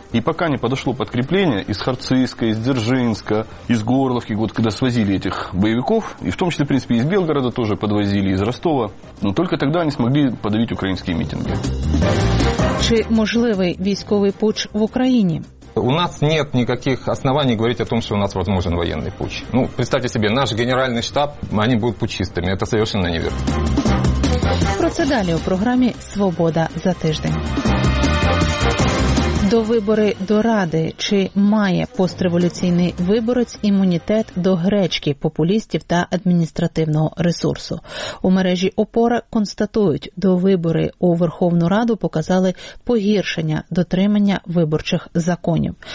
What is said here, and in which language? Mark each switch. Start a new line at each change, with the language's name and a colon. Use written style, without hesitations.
Ukrainian: І поки не підійшло підкріплення із Харцизька, із Дзержинська, із Горловки, от, коли свозили цих бойовиків, і в тому числі, в принципі, із Білгорода теж підвозили, із Ростова, ну, тільки тоді вони змогли подавити українські мітинги. Чи можливий військовий путч в Україні?
Russian: У нас нет никаких оснований говорить о том, что у нас возможен военный путч. Ну, представьте себе, наш генеральный штаб, они будут путчистами. Это совершенно неверно.
Ukrainian: Про це далі у програмі «Свобода за тиждень». До вибори до Ради. Чи має постреволюційний виборець імунітет до гречки, популістів та адміністративного ресурсу? У мережі «Опора» констатують, до вибори у Верховну Раду показали погіршення дотримання виборчих законів.